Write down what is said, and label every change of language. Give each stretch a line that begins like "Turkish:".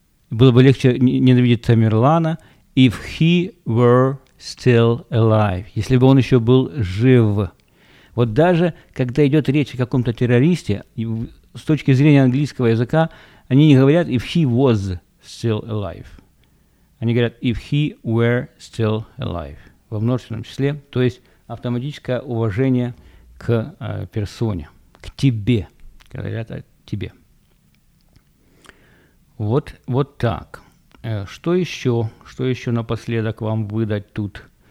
Russian: Было бы легче ненавидеть Тамерлана,
English: if he were still alive,
Russian: если бы он еще был жив. Вот даже когда идет речь о каком-то террористе, с точки зрения английского языка, они не говорят
English: if he was still alive.
Russian: Они говорят
English: if he were still alive.
Russian: Во множественном числе, то есть автоматическое уважение к персоне, к тебе. Говорят о тебе. Вот так. Что еще напоследок вам выдать тут?